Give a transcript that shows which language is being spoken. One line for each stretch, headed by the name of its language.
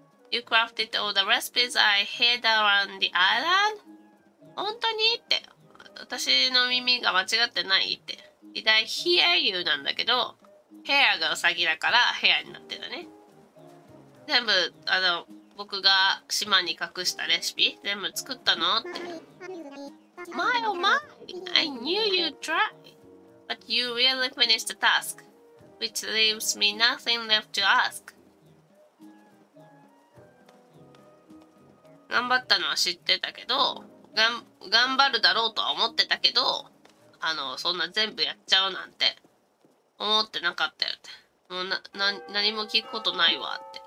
English: You crafted all the recipes I hid around the island?
Japanese: 本当に？って。私の耳が間違ってないって。
English: Did I hear you?
Japanese: なんだけど、ヘアがウサギだからヘアになってたね。全部、あの、僕が島に隠したレシピ、全部作ったのって。
English: My oh my! I knew you'd try! But you really finished the task, which leaves me nothing left to ask.
Japanese: 頑張ったのは知ってたけど、頑張るだろうとは思ってたけど、あの、そんな全部やっちゃうなんて思ってなかったよって。もう何も聞くことないわって。